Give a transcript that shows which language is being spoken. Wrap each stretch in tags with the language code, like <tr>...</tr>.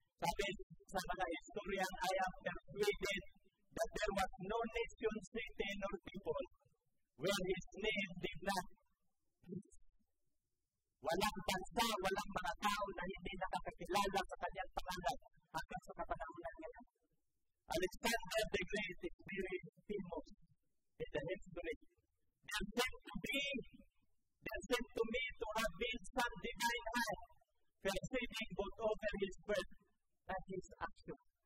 <tl>Sabi sa mga</tl> <en>historian, I am persuaded that there was no nation, city, nor people where his name did not.</en> <tl>Walang bansa, walang mga tao na hindi nakakakilala sa kanyang pangalan hanggang sa kapanahonan niya.</tl> <en>Alexander the Great is very famous in the history. There seemed to me to have been some divine hand preceding both over his birth and his action.</en>